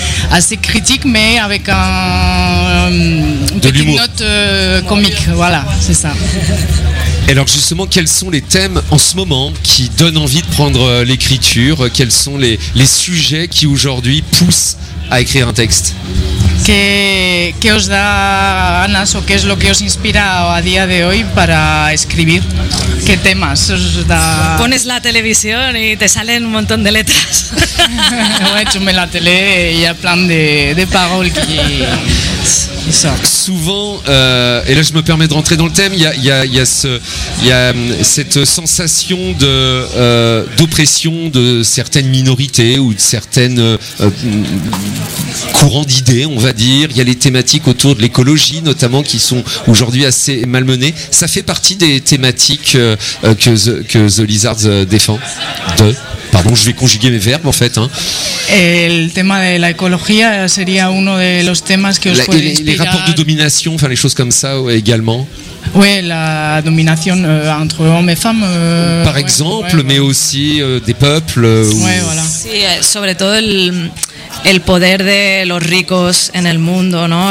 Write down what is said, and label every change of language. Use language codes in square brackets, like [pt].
[fr] Assez critique, mais avec une petite note comique. Voilà, c'est ça. Et alors justement, quels sont les thèmes en ce moment qui donnent envie de prendre l'écriture? Quels sont les sujets qui aujourd'hui poussent à écrire un texte? [es] ¿Qué os da ganas o qué es lo que os inspira a día de hoy para escribir? ¿Qué temas os da? Pones la televisión y te salen un montón de letras. [fr] Ouais, tu mets la télé et il y a plein de paroles qui sortent. Souvent, et là je me permets de rentrer dans le thème, il y a cette sensation d'oppression de certaines minorités ou de certaines courants d'idées, on va dire. Il y a les thématiques autour de l'écologie notamment qui sont aujourd'hui assez malmenées. Ça fait partie des thématiques que The Lizards défend de... Pardon, je vais conjuguer mes verbes en fait. Hein. [es] El tema de la ecología sería uno de los temas que os puede inspirar. [fr] Les rapports de domination, enfin les choses comme ça également. Oui, la domination entre hommes et femmes. Par exemple, mais aussi des peuples. Oui, voilà. [es] Sí, sobre todo el poder de los ricos en el mundo, ¿no?